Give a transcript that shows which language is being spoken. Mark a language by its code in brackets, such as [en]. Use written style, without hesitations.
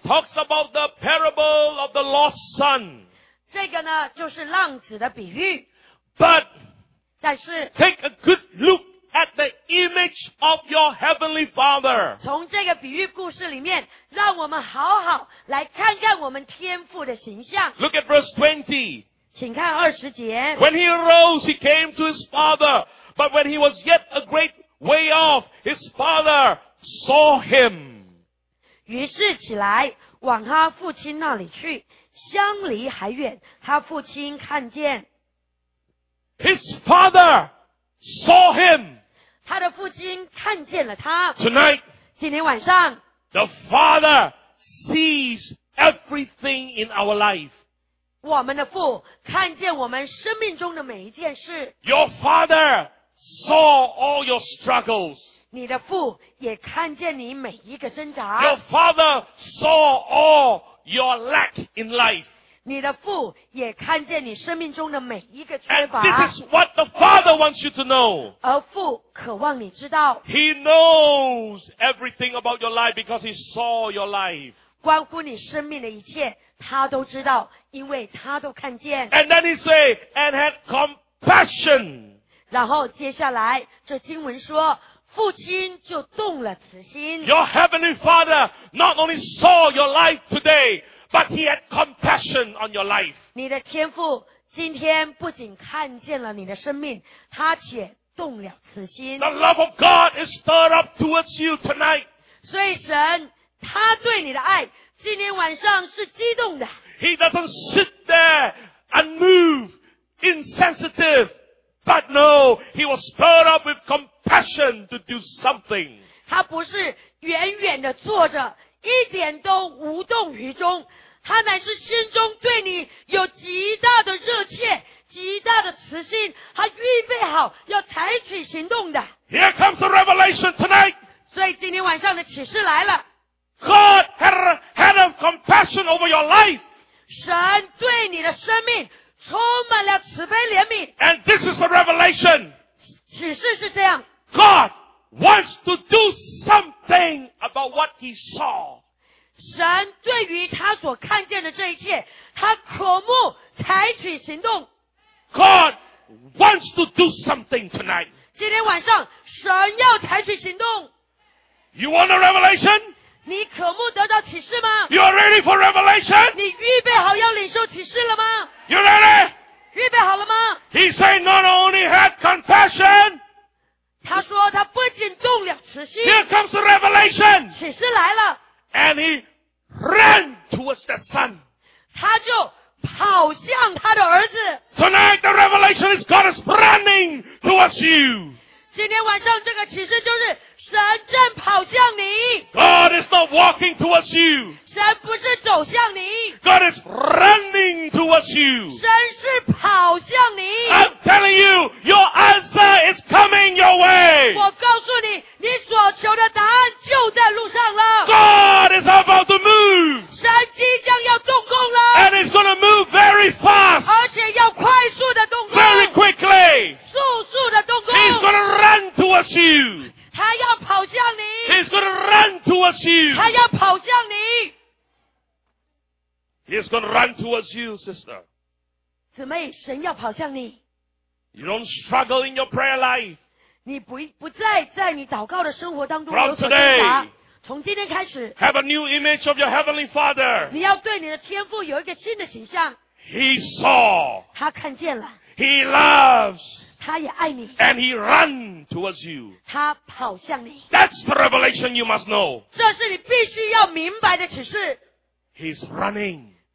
[en] It talks about the parable of the lost son. [zh] 这个呢就是浪子的比喻 [en] But [zh] 但是 [en] Take a good look at the image of your heavenly father. [zh] 从这个比喻故事里面让我们好好来看看我们天父的形象 [en] Look at verse 20. [zh] 请看二十节 [en] When he arose, he came to his father. But when he was yet a great way off, his fatherSaw him. [zh] 于是起来往他父亲那里去相离还远他父亲看见 [en] His father saw him. [zh] 他的父亲看见了他 [en] Tonight, [zh] 今天晚上 [en] The father sees everything in our life. [zh] 我们的父看见我们生命中的每一件事 [en] Your father saw all your struggles. [zh] 你的父也看见你每一个挣扎。 [en] Your father saw all your lack in life. [zh] 你的父也看见你生命中的每一个缺乏。 [en] And this is what the father wants you to know. [zh] 而父渴望你知道。 [en] He knows everything about your life because he saw your life. [zh] 关乎你生命的一切他都知道因为他都看见。 [en] And then he say, and had compassion. [zh] 然后接下来这经文说父亲就动了慈心。 [en] Your heavenly father not only saw your life today, but he had compassion on your life. [zh] 你的天父今天不仅看见了你的生命，他且动了慈心。 [en] The love of God is stirred up towards you tonight. [zh] 所以神，他对你的爱今天晚上是激动的。 [en] He doesn't sit there unmoved, insensitive, but no, he was stirred up with compassion to do something. [zh] 他不是远远的坐着，一点都无动于衷，他乃是心中对你有极大的热切，极大的慈心，他预备好要采取行动的。 [en] Here comes the revelation tonight. [zh] 所以今天晚上的启示来了。 [en] God had a compassion over your life. [zh] 神对你的生命充满了慈悲怜悯。 [en] And this is the revelation. [zh] 启示是这样。 [en] God wants to do something about what he saw. [zh] 神对于他所看见的这一切，他渴慕采取行动。 [en] God wants to do something tonight. [zh] 今天晚上，神要采取行动。 [en] You want a revelation? [zh] 你渴慕得到启示吗？ [en] You are ready for revelation? [zh] 你预备好要领受启示了吗？ [en] You ready? [zh] 预备好了吗？ [en] He said not only had compassion. [zh] 他说他不仅动了慈心。 [en] Here comes the revelation. [zh] 启示来了。 [en] And he ran towards the son. [zh] 他就跑向他的儿子。 [en] Tonight the revelation is God is running towards you. [zh] 今天晚上这个启示就是神正跑向你。 [en] God is not walking towards you. [zh] 神不是走向你。 [en] God is running towards you. [zh] 神是跑向你。 [en] I'm telling you, your answer is coming your way. [zh] 我告诉你，你所求的答案就在路上了。 [en] God is about to move. [zh] 神即将要动工了。 [en] And it's going to move very fast. [zh] 而且要快速的动工。 [en] Very quickly. He's going to run towards you. [zh] 他要跑向你。 [en] He's going to run towards you. [zh] 他要跑向你。 [en] He's going to run towards you, sister. [zh] 姊妹，神要跑向你。 [en] You don't struggle in your prayer life. [zh] 你不再在你祷告的生活当中有所挣扎。从今天开始。 [en] Have a new image of your heavenly father. [zh] 你要对你的天父有一个新的形象。 [en] He saw. [zh] 他看见了。 [en] He loves. [zh] 他也爱你。 [en] And he ran towards you. [zh] 他跑向你。 [en] That's the revelation you must know. [zh] 这是你必须要明白的启示。 [en] He's running.